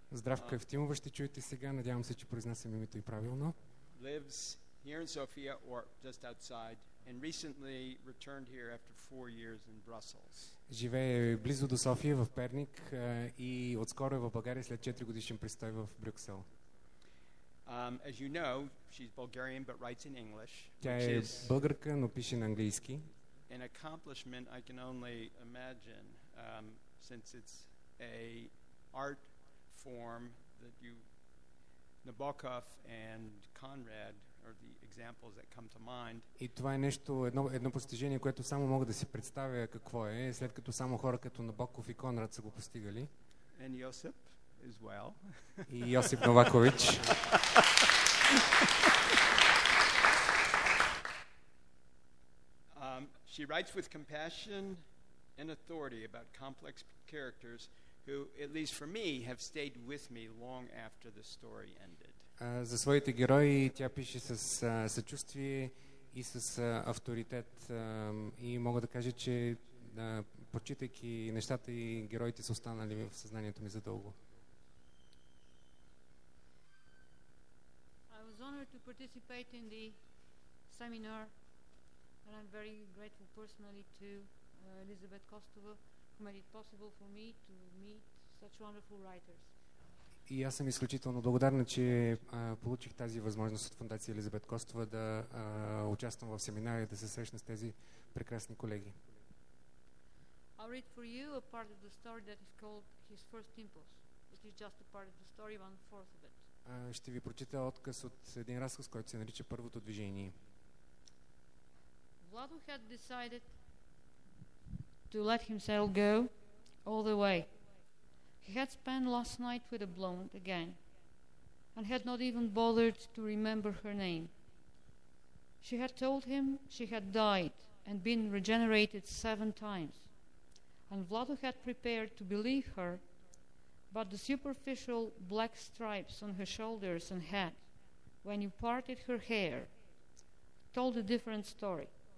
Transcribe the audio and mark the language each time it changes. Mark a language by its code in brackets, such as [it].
[bg] Здравка Ептимова, ще чуете сега, надявам се, че произнасям името и правилно. [en] Lives here in Sofia or just outside and recently returned here after 4 years in Brussels. [bg] Живее близо до София в Перник и отскоро е в България след 4 годишен престой в Брюксел. [en] As you know, she's Bulgarian but writes in English. [bg] Тя е българка, но пише на английски. [en] An accomplishment I can only imagine, since it's a art form that you, Nabokov and Conrad are the examples that come to mind. [bg] И това е нещо, едно постижение, което само мога да си представя какво е, след като само хора като Набоков и Конрад са го постигали. [en] And Josip as well. [bg] И Йосип Новакович. [en] She writes with compassion and authority about complex characters who, at least for me, have stayed with me long after the story ended. [bg] За своите герои тя пише с съчувствие и с авторитет. И мога да кажа, че прочитайки нещата и героите са останали в съзнанието ми задълго. [en] I was honored to participate in the seminar. And I'm very grateful personally to Elizabeth Kostova, who made it possible for me to meet such wonderful writers. [bg] И аз съм изключително благодарна, че получих тази възможност от фондация Елизабет Костова да участвам в семинари и да се срещна с тези прекрасни колеги. [en] I'll read for you a part of the story that is called His First Impulse. It is just a part of the story, 1/4 of it. [bg] Ще ви прочита отказ от един разказ, който се нарича Първото движение. [en] Vlado had decided to let himself go all the way. He had spent last night with a blonde again and had not even bothered to remember her name. She had told him she had died and been regenerated 7 times, and Vlado had prepared to believe her, but the superficial black stripes on her shoulders and head, when you parted her hair, told a different story.